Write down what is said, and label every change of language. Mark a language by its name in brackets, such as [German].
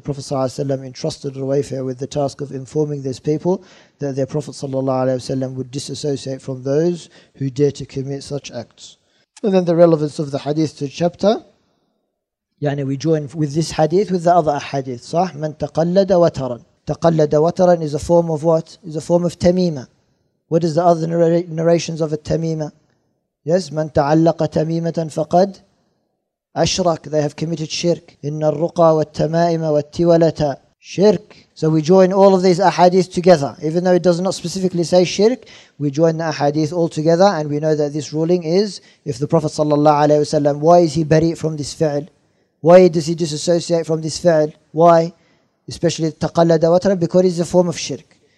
[English] The Prophet sallallahu alaihi wasallam entrusted Ruwayfi' with the task of informing these people that their Prophet sallallahu alaihi wasallam would disassociate from those who dare to commit such acts. And then the relevance of the hadith to the chapter. يعني we join with this hadith with the other hadith, صح? [Arabic] من تقلد وترا. تقلد وترا [English] is a form of what? Is a form of تميمة. What is the other narrations of a تميمة? [Arabic] Yes, من تعلق تميمة فقد أشرك. [English] They have committed shirk. [Arabic] إن الرقى والتمائم والتولة shirk. [English] So we join all of these ahadith together. Even though it does not specifically say shirk, we join the ahadith all together, and we know that this ruling is, if the Prophet صلى الله عليه وسلم, why is he bari' from this fi'l? Why does he disassociate from this fi'l? Why? Especially taqallada watara, because it's a form of shirk.